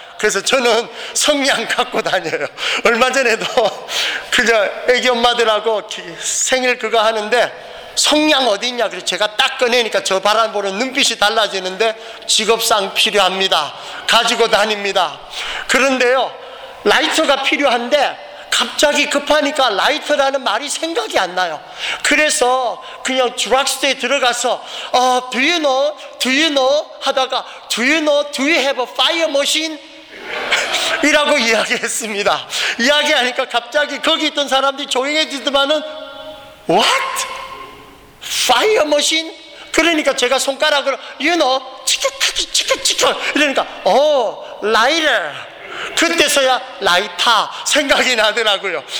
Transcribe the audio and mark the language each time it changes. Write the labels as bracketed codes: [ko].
[ko] 그래서 저는 성냥 갖고 다녀요. 얼마 전에도 그저 애기 엄마들하고 생일 그거 하는데 성냥 어디 있냐 그래서 제가 딱 꺼내니까 저 바라보는 눈빛이 달라지는데 직업상 필요합니다. 가지고 다닙니다. 그런데요 라이터가 필요한데 갑자기 급하니까 라이터라는 말이 생각이 안 나요. 그래서 그냥 드럭스토어에 들어가서 [en] Do you know? [ko] 하다가 [en] Do you have a fire machine? [ko] 이라고 이야기했습니다. 이야기하니까 갑자기 거기 있던 사람들이 조용해지더만은 [en] What? Fire machine? [ko] 그러니까 제가 손가락으로 [en] You know? [ko] 치크치크치크 이러니까 Lighter 그때서야 라이터 생각이 나더라고요.